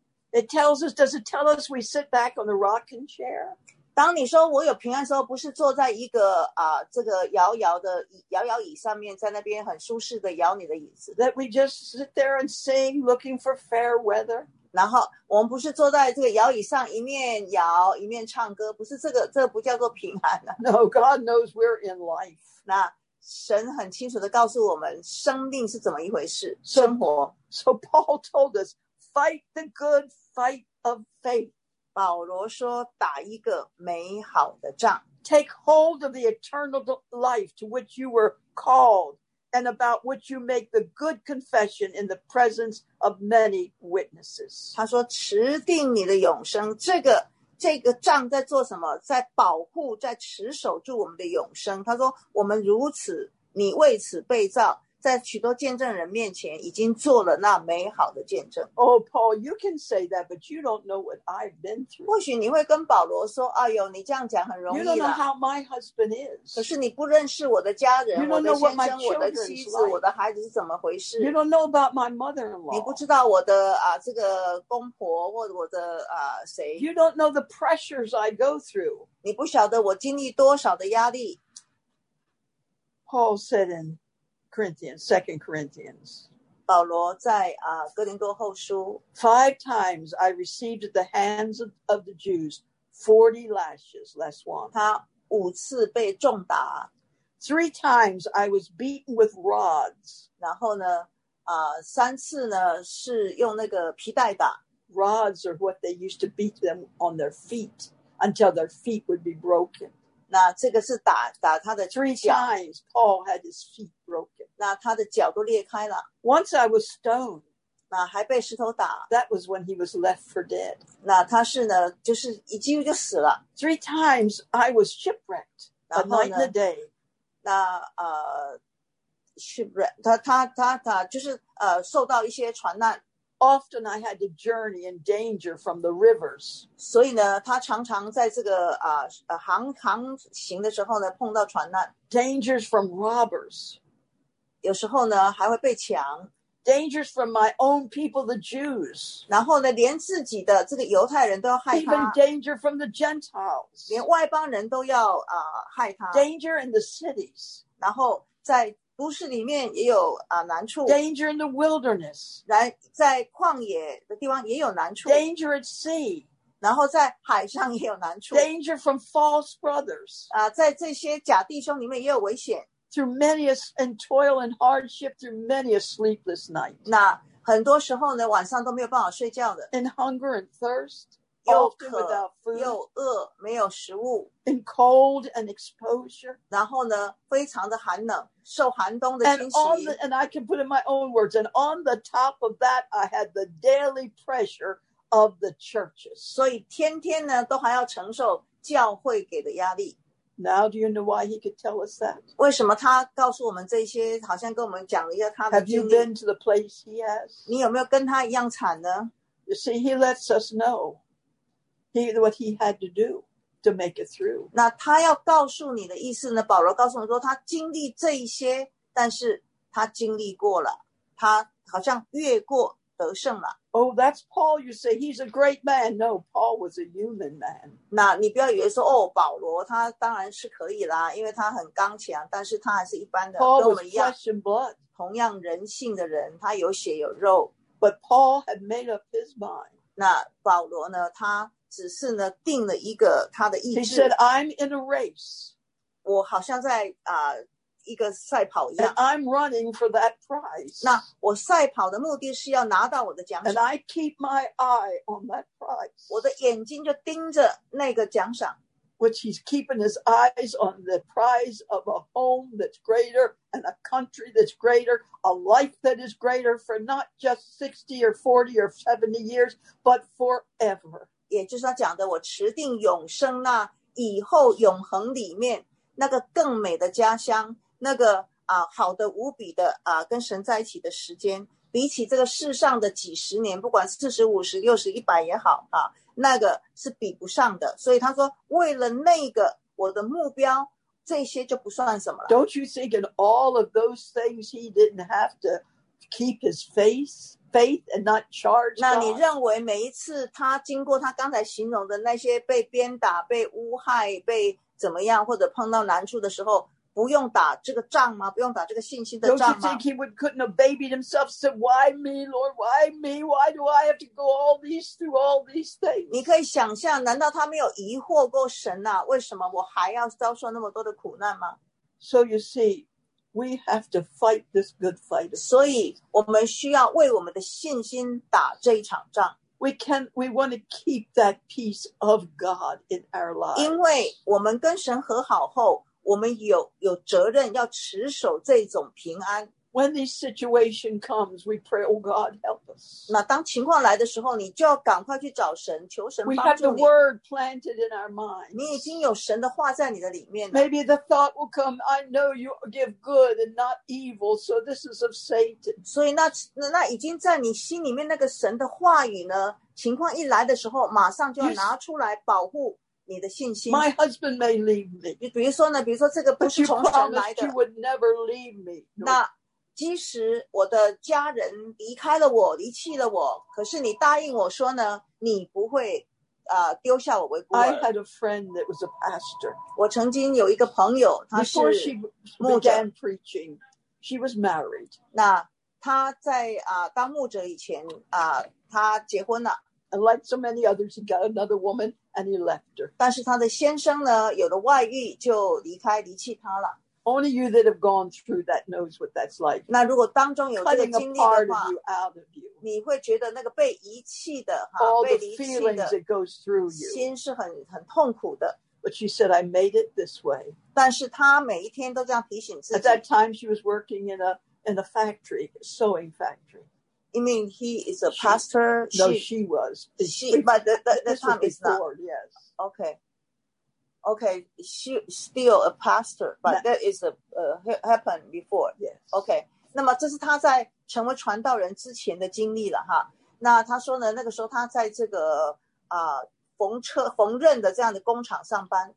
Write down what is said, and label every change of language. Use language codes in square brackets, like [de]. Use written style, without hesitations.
[en] It tells us, does it tell us we sit back on the rocking chair? [zh] 当你说我有平安的时候，不是坐在一个这个摇摇椅上面，在那边很舒适的摇你的椅子。 [en] That we just sit there and sing, looking for fair weather. [zh] 然后我们不是坐在这个摇椅上，一面摇一面唱歌，不是这个，这个、不叫做平安、啊。 [en] No, God knows we're in life. [zh] 那神很清楚地告诉我们生命是怎么一回事，生活。 [en] So Paul told us, fight the good fight of faith. [zh] 保罗说打一个美好的仗。 [en] Take hold of the eternal life to which you were called and about which you make the good confession in the presence of many witnesses. [zh] 他说持定你的永生，这个仗在做什么？在保护，在持守住我们的永生。他说我们如此，你为此被造，在许多见证人面前已经做了那美好的见证。 [en] Oh Paul, you can say that, but you don't know what I've been through. [zh] 或许你会跟保罗说，哎呦，你这样讲很容易啦。 [en] You don't know how my husband is. [zh] 可是你不认识我的家人，我的先生，我的妻子，我的孩子是怎么回事。 [en] You don't know about my mother-in-law. [zh] 你不知道我的这个公婆，或者我的谁。 [en] You don't know the pressures I go through. [zh] 你不晓得我经历多少的压力。 [en] Paul said in Second Corinthians. [zh] 保罗在哥林多后书 [en] Five times I received at the hands of the Jews 40 lashes, less one. [zh] 他五次被重打。 [en] Three times I was beaten with rods. [zh] 然后呢，三次呢是用那个皮带打。 [en] Rods are what they used to beat them on their feet until their feet would be broken. [zh] 那这个是打他的脚。 [en] Three times Paul had his feet broken. [zh] 那他的脚都裂开了。 [en] Once I was stoned. [zh] 那还被石头打。 [en] That was when he was left for dead. [zh] 那他是呢，就是一进入就死了。 [en] Three times I was shipwrecked, a night and a day. [zh] 那shipwrecked, 他就是受到一些船难。 [en] Often I had to journey in danger from the rivers. [zh] 所以呢，他常常在这个航行的时候呢，碰到船难。 [en] Dangers from robbers. [zh] 有时候呢还会被抢。 [en] Dangers from my own people, the Jews. [zh] 然后呢连自己的这个犹太人都要害他。 [en] Even danger from the Gentiles. [zh] 连外邦人都要害他。 [en] Danger in the cities. [zh] 然后在都市里面也有难处。 [en] Danger in the wilderness. [zh] 在旷野的地方也有难处。 [en] Danger at sea. [zh] 然后在海上也有难处。 [en] Danger from false brothers. [zh] 在这些假弟兄里面也有危险。 [en] Through many a and toil and hardship, through many a sleepless night. [zh] 那很多时候呢，晚上都没有办法睡觉的。 [en] In hunger and thirst, often without food. [zh] 又饿，没有食物。 [en] In cold and exposure. [zh] 然后呢，非常的寒冷，受寒冬的侵袭。 [en] And I can put in my own words. And on the top of that, I had the daily pressure of the churches. [zh] 所以天天呢，都还要承受教会给的压力。 [en] Now, do you know why he could tell us that? [zh] 为什么他告诉我们这些？好像跟我们讲了一下他的经历。 [en] Have you been to the place he has? [zh] 你有没有跟他一样惨呢？ [en] You see, he lets us know what he had to do to make it through. [zh] 那他要告诉你的意思呢？保罗告诉我们说，他经历这一些，但是他经历过了，他好像越过得胜了。 [en] Oh, that's Paul, you say, he's a great man. No, Paul was a human man. [zh] 那你不要以为说，哦，保罗他当然是可以啦，因为他很刚强，但是他还是一般的， [en] Paul、 Paul was flesh and blood. [zh] 同样人性的人，他有血有肉。 [en] But Paul had made up his mind. [zh] 那保罗呢，他只是呢，定了一个他的意志。 [en] He said, I'm in a race. [zh] 我好像在一个赛跑一样。 [en] And I'm running for that prize. [zh] 那我赛跑的目的是要拿到我的奖赏。 [en] And I keep my eye on that prize. [zh] 我的眼睛就盯着那个奖赏。 [en] Which he's keeping his eyes on the prize of a home that's greater and a country that's greater, a life that is greater for not just 60 or 40 or 70 years, but forever. [zh] 也就是他讲的我持定永生那以后永恒里面那个更美的家乡，那个好的无比的跟神在一起的时间，比起这个世上的几十年，不管四十、五十、六十、一百也好那个是比不上的。所以他说，为了那个我的目标，这些就不算什么了。 [en] Don't you think in all of those things he didn't have to keep his faith and not charge? [zh] 那你认为每一次他经过他刚才形容的那些被鞭打、被诬害、被怎么样，或者碰到难处的时候，不用打这个仗吗？不用打这个信心的仗吗？ [en] Don't you think he would couldn't have babied himself? Said, "Why me, Lord? Why me? Why do I have to go all these through all these things?" [zh] 你可以想象，难道他没有疑惑过神啊？为什么我还要遭受那么多的苦难吗 [en] ？So you see, We have to fight this good fight. [zh] 所以我们需要为我们的信心打这一场仗。 [en] We want to keep that peace of God in our lives. [zh] 因为我们跟神和好后，我们有责任要持守这种平安。 [en] When this situation comes, we pray, "Oh God, help us." [zh] 那当情况来的时候，你就要赶快去找神，求神帮助你。 [en] We have the word planted in our minds. [zh] 你已经有神的话在你的里面了。 [en] Maybe the thought will come, "I know you give good and not evil, so this is of Satan." [zh] 所以那已经在你心里面那个神的话语呢？情况一来的时候，马上就要拿出来保护。你的信心。 [en] My husband may leave me. [zh] 比如说这个不是从神来的。 [en] But you promised you would never leave me. [zh] 那即使我的家人离开了我，离弃了我，可是你答应我说呢，你不会丢下我为孤儿。 [en] I had a friend that was a pastor. [zh] 我曾经有一个朋友，他是牧者。 [en] Before she began preaching, she was married. [zh] 那他在当牧者以前他结婚了。 [en] And like so many others, he got another woman and he left her. [zh] 但是他的先生呢，有了外遇就离开，离弃他了。 [en] Only you that have gone through that knows what that's like. [zh] 那如果当中有这个经历的话， [en] Cutting a part of you out of you. [zh] 你会觉得那个被遗弃的， [en] All the feelings that goes through you. [zh] 心是很痛苦的。 [en] But she said, I made it this way. [zh] 但是她每一天都这样提醒自己。 [en] At that time, she was working in a factory, a sewing factory. You mean he is a pastor? No, she was. She, but the time is not. Yes. Okay. Okay. She still a pastor, but no. That is happened before. Yes. Okay. [zh] 那么这是他在成为传道人之前的经历了哈。那他说呢，那个时候他在这个缝纫的这样的工厂上班。